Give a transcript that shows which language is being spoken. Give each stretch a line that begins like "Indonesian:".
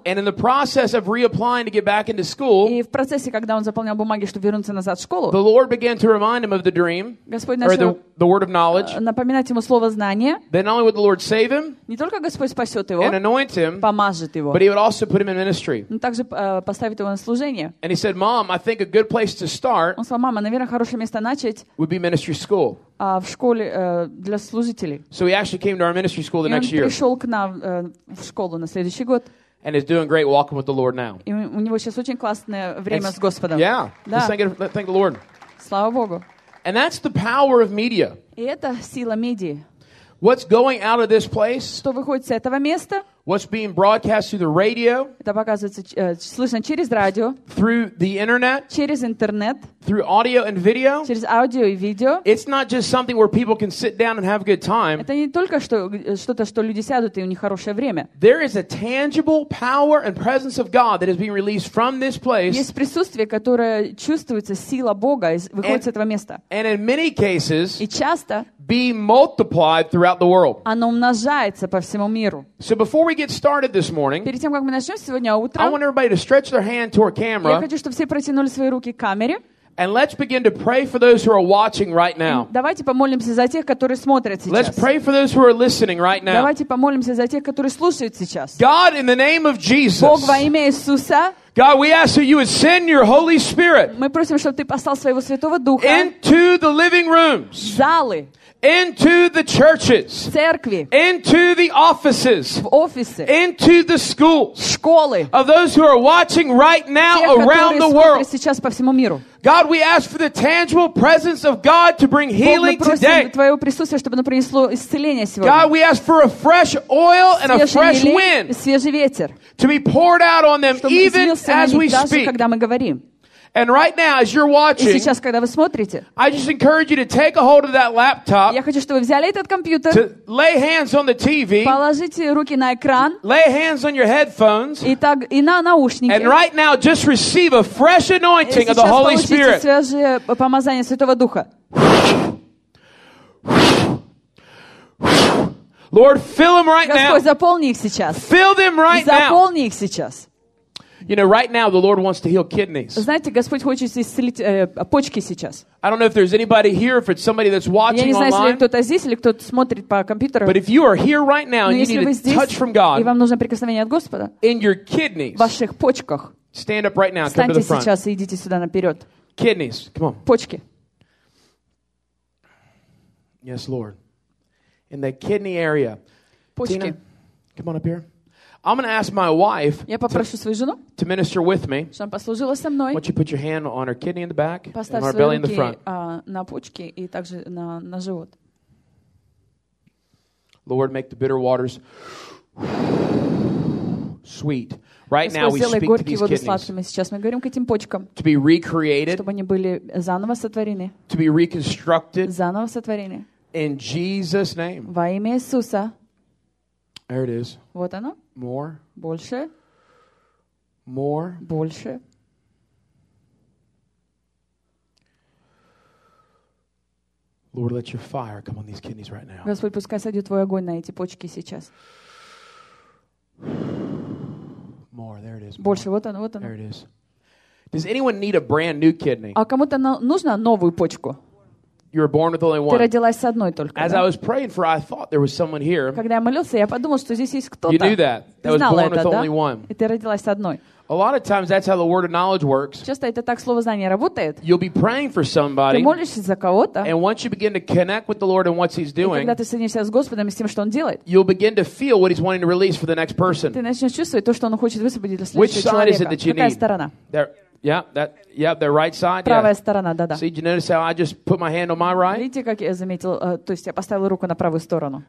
English: And in the process of reapplying to get back into school,
Russian: и в процессе, когда он заполнял бумаги, чтобы вернуться назад в школу,
English: the Lord began to remind him of the dream,
Russian: Господь начал,
English: or the word of knowledge,
Russian: напоминать ему слово знания.
English: Then not only would the Lord save him,
Russian: не только Господь спасет его,
English: and anoint him,
Russian: помажет его,
English: but he would also put him in ministry.
Russian: Но также поставит его на служение.
English: And he said, "Mom, I think a good place to start,
Russian: он сказал, мама, наверное, хорошее место начать,
English: would be ministry school."
Russian: В школе для служителей.
English: So he actually came to our ministry school the next year.
Russian: И он пришел к нам в школу на следующий год.
English: And is doing great walking with the Lord now.
Russian: И у него сейчас очень классное время с Господом.
English: Yeah.
Russian: Да.
English: Thank the Lord.
Russian: Слава Богу.
English: And that's the power of media.
Russian: И это сила медии.
English: What's going out of this place?
Russian: Что выходит с этого места?
English: What's being broadcast through the radio?
Russian: Это показывается, слышно через радио.
English: Through the internet?
Russian: Через интернет.
English: Through audio and video?
Russian: Через аудио и видео.
English: It's not just something where people can sit down and have a good time.
Russian: Это не только что-то, что люди сядут и у них хорошее время.
English: There is a tangible power and presence of God that is being released from this place.
Russian: Есть присутствие, которое чувствуется, сила Бога выходит с этого места.
English: And in many cases,
Russian: и часто,
English: being multiplied throughout the world.
Russian: Оно умножается по всему миру.
English: So before we get started this morning,
Russian: перед тем, как мы начнем сегодня утро,
English: I want everybody to stretch their hand toward camera.
Russian: Я хочу, чтобы все протянули свои руки к камере.
English: And let's begin to pray for those who are watching right now.
Russian: Давайте помолимся за тех, которые смотрят сейчас.
English: Let's pray for those who are listening right now.
Russian: Давайте помолимся за тех, которые слушают сейчас.
English: God, in the name of Jesus.
Russian: Бог во имя Иисуса.
English: God, we ask that you would send your Holy Spirit.
Russian: Мы просим, чтобы ты послал своего Святого Духа.
English: Into the living rooms.
Russian: Залы.
English: into the churches,
Russian: в церкви,
English: into the offices,
Russian: в офисы,
English: into the schools,
Russian: школы,
English: of those who are watching right now
Russian: тех,
English: around the world.
Russian: Сейчас по всему миру.
English: God, we ask for the tangible presence of God to bring healing today.
Russian: Твоего присутствия, чтобы оно принесло исцеление сегодня.
English: God, we ask for a fresh oil and a fresh wind,
Russian: свежий ветер,
English: to be poured out on them even as we speak.
Russian: Когда мы говорим.
English: And right now, as you're watching,
Russian: и сейчас, когда вы смотрите,
English: I just encourage you to take a hold of that laptop,
Russian: я хочу, чтобы вы взяли этот компьютер,
English: to lay hands on the TV,
Russian: положите руки на экран,
English: lay hands on your headphones,
Russian: и так, и на наушники,
English: and right now, just receive a fresh anointing of the Holy Spirit.
Russian: И сейчас получите свежее помазание Святого Духа.
English: Lord, fill them right now.
Russian: Господь, заполни их сейчас.
English: Fill them right now.
Russian: Заполни их сейчас.
English: You know, right now the Lord wants to heal kidneys.
Russian: Знаете, Господь хочет исцелить почки сейчас.
English: I don't know if there's anybody here, if it's somebody that's watching online.
Russian: Я не знаю, если кто-то здесь или кто-то смотрит по компьютеру.
English: But if you are here right now and you need a touch from God,
Russian: и вам нужно прикосновение от Господа,
English: in your kidneys,
Russian: в ваших почках,
English: stand up right now, come to the front.
Russian: Встаньте сейчас и идите сюда наперед.
English: Kidneys, come on.
Russian: Почки.
English: Yes, Lord. In the kidney area.
Russian: Почки.
English: Tina, come on up here. I'm going to ask my wife to minister with me. Why don't you put your hand on her kidney in the back and her belly in the front.
Russian: На почки и также на живот.
English: Lord, make the bitter waters sweet. Right now we speak to these kidneys. To be recreated.
Russian: Чтобы они были заново сотворены.
English: To be reconstructed.
Russian: Заново сотворены.
English: In Jesus' name.
Russian: Во имя Иисуса.
English: There it is.
Russian: Вот оно.
English: More.
Russian: Больше.
English: More.
Russian: Больше.
English: Lord, let your fire come on these kidneys right now.
Russian: Господь, пускай сойдет твой огонь на эти почки сейчас.
English: More. There it is. More.
Russian: Больше. Вот оно. Вот оно.
English: There it is. Does anyone need a brand new kidney?
Russian: А кому-то нужна новую почку?
English: You were born with only one.
Russian: Ты родилась с одной только.
English: As
Russian: да?
English: I was praying for, I thought there was someone here.
Russian: Когда я молился, я подумал, что здесь есть кто-то.
English: You knew that. That was born with
Russian: да?
English: only one.
Russian: И ты родилась с одной.
English: A lot of times, that's how the word of knowledge works.
Russian: Часто это так слово знание работает.
English: You'll be praying for somebody.
Russian: Ты молишься за кого-то.
English: And once you begin to connect with the Lord and what He's doing,
Russian: и когда ты соединишься с Господом и с тем, что Он делает,
English: you'll begin to feel what He's wanting to release for the next person.
Russian: Ты начнешь чувствовать то, что Он хочет высвободить для следующего человека.
English: Which side is it that you need?
Russian: Какая сторона?
English: Yeah, that. Yeah, the right side.
Russian: Правая
English: yeah.
Russian: сторона, да-да.
English: See, you notice how I just put my hand on my right.
Russian: Видите, как я заметил, то есть я поставил руку на правую сторону.